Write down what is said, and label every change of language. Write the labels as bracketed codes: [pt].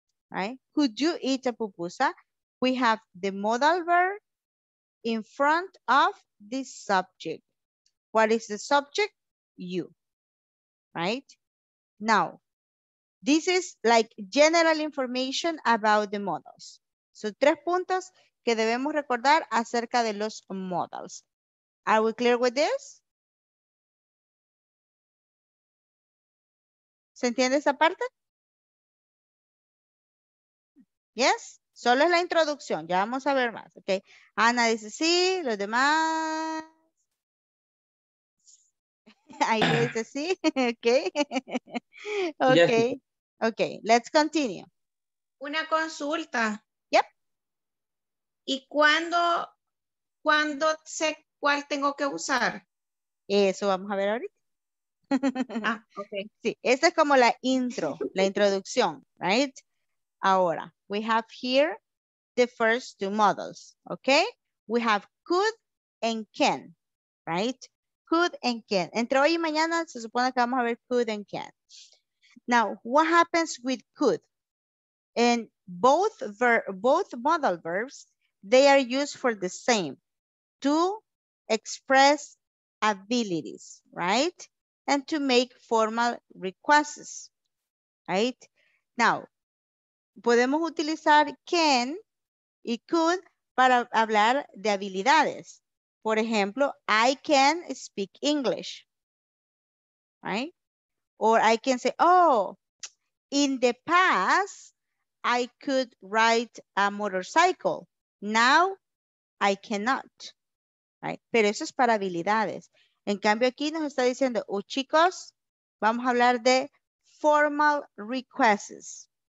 [en] Right? Could you eat a pupusa? We have the modal verb in front of the subject. What is the subject? You. Right? Now, this is like general information about the models. [es] So, tres puntos que debemos recordar acerca de los models. [en] Are we clear with this? [es] ¿Se entiende esa parte? Yes, solo es la introducción, ya vamos a ver más, okay. Ana dice sí, los demás. Ahí dice sí, okay. Okay. Yes. [en] Okay, let's continue. [es] Una consulta. [en] Yep. [es] ¿Y cuándo sé cuál tengo que usar? Eso vamos a ver ahorita. Ah, okay. Sí, esta es como la intro, la introducción, right? [en] Ahora, we have here the first two models, okay? We have could and can, right? Could and can. [es] Entre hoy y mañana se supone que vamos a ver could and can. [en] Now, what happens with could? And both modal verbs, they are used for the same, to express abilities, right? And to make formal requests, right? [es] Now, podemos utilizar can y could para hablar de habilidades. Por ejemplo, [en] I can speak English, right? Or I can say, oh, in the past, I could ride a motorcycle. Now, I cannot, right? [es] Pero eso es para habilidades. En cambio, aquí nos está diciendo, oh, chicos, vamos a hablar de formal requests.